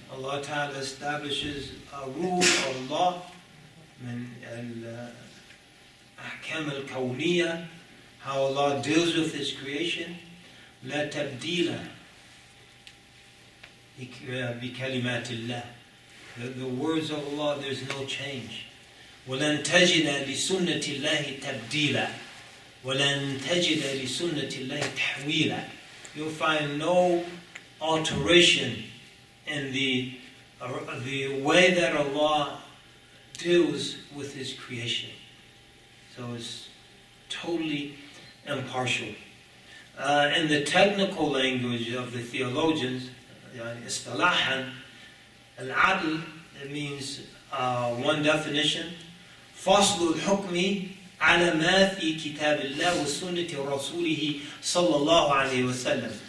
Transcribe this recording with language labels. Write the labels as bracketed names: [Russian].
[English] Allah Ta'ala establishes a rule of law, min al-ahkam al-kawniya, how Allah deals with his creation. [Arabic] لا تبديل بكلمات الله. [English] The words of Allah, there's no change. [Arabic] ولن تجد لسنة الله تبديلا. ولن تجد لسنة الله تحويلا. [English] You'll find no alteration in the way that Allah deals with His creation. So it's totally impartial. In the technical language of the theologians, istilahan, al-adl, it means one definition, [Arabic] فصل الحكم على ما في كتاب الله وسنة رسوله صلى الله عليه وسلم.